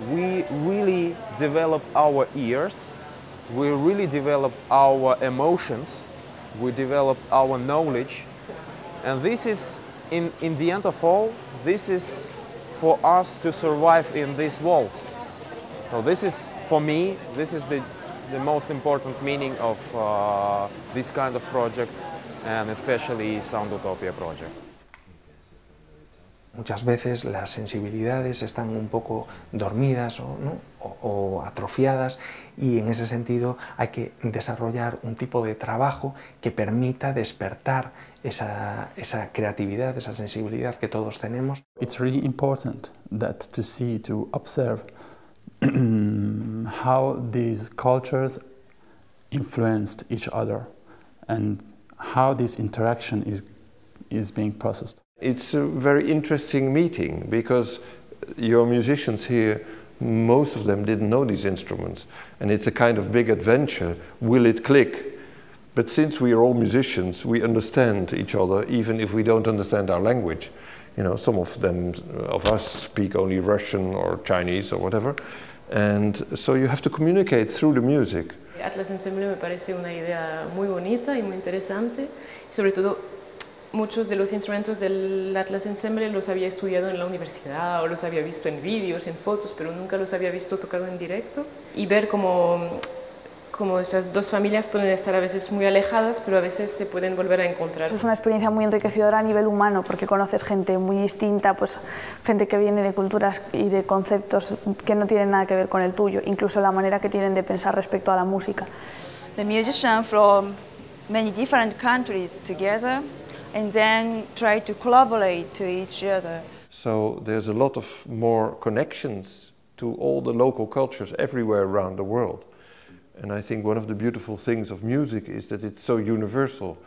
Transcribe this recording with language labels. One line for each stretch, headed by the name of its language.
English: We really develop our ears, we really develop our emotions, we develop our knowledge, and this is in the end of all, this is for us to survive in this world. So this is, for me, this is the most important meaning of this kind of projects, and especially Sonutopias project.
Spanish: Muchas veces las sensibilidades están un poco dormidas o, ¿no? o atrofiadas, y en ese sentido hay que desarrollar un tipo de trabajo que permita despertar esa creatividad, esa sensibilidad que todos tenemos.
English: It's really important that to see, to observe how these cultures influenced each other and how this interaction is being processed. It's a very interesting meeting because your musicians here, most of them didn't know these instruments, and it's a kind of big adventure. Will it click? But since we are all musicians, we understand each other even if we don't understand our language. You know, some of them, of us, speak only Russian or Chinese or whatever. And so you have to communicate through the music.
Spanish: Atlas Ensemble me parece una idea muy bonita y muy interesante. Sobre todo, muchos de los instrumentos del Atlas Ensemble los había estudiado en la universidad o los había visto en vídeos, en fotos, pero nunca los había visto tocado en directo. Y ver cómo esas dos familias pueden estar a veces muy alejadas, pero a veces se pueden volver a encontrar. Es una experiencia muy enriquecedora a nivel humano, porque conoces gente muy distinta, pues gente que viene de culturas y de conceptos que no tienen nada que ver con el tuyo, incluso la manera que tienen de pensar respecto a la música.
English: The musician from many different countries together, and then try to collaborate to each other. So there's a lot of more connections to all the local cultures everywhere around the world. And I think one of the beautiful things of music is that it's so universal.